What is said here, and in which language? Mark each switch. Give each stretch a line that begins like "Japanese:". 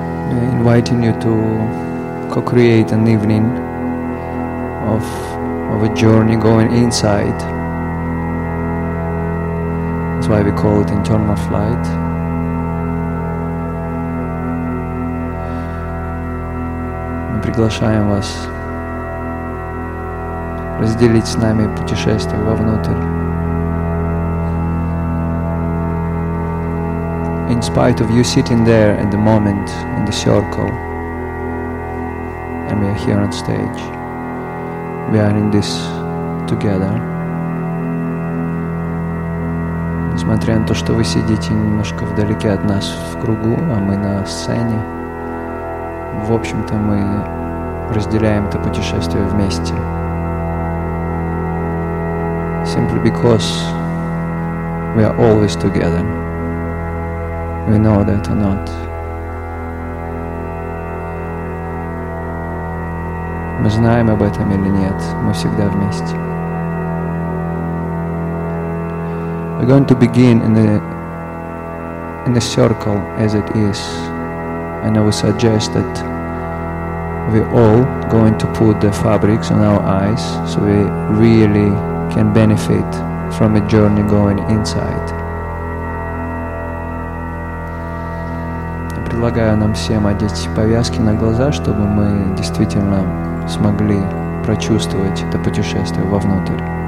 English: I'm inviting you to co-create an evening of a journey going inside. That's why we call it internal flight.
Russian: Приглашаем вас разделить с нами путешествие вовнутрь.
English: In spite of you sitting there at the moment in the circle, and we are here on stage, we are in this together.
Russian: Несмотря на то, что вы сидите немножко вдалеке от нас в кругу, а мы на сцене, в общем-то мы разделяем это путешествие вместе.
English: Simply because we are always together. We know that or not.
Russian: Мы знаем об этом или нет, мы всегда вместе.
English: We're going to begin in the circle as it is. And I would suggest that we're all going to put the fabrics on our eyes so we really can benefit from a journey going inside.
Russian: Предлагаю нам всем одеть повязки на глаза, чтобы мы действительно смогли прочувствовать это путешествие вовнутрь.